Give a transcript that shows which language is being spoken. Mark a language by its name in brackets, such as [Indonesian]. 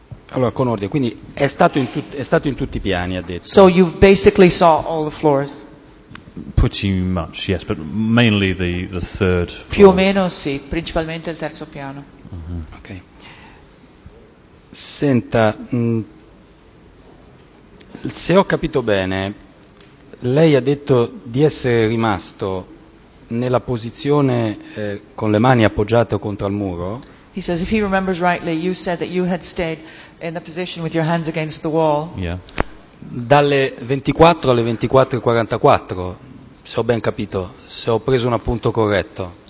[Italian] Allora, con ordine, quindi è stato in tutti i piani, ha detto. [English] So you basically saw all the floors. Pretty much, yes, but mainly the third floor. [Italian] Più o meno, sì, principalmente il terzo piano. Mm-hmm. Ok. Senta, se ho capito bene, lei ha detto di essere rimasto nella posizione con le mani appoggiate contro il muro. [English] He says, if he remembers rightly, you said that you had stayed in the position with your hands against the wall. Yeah. [Italian] Dalle 24 alle 24:44, se ho ben capito, se ho preso un appunto corretto.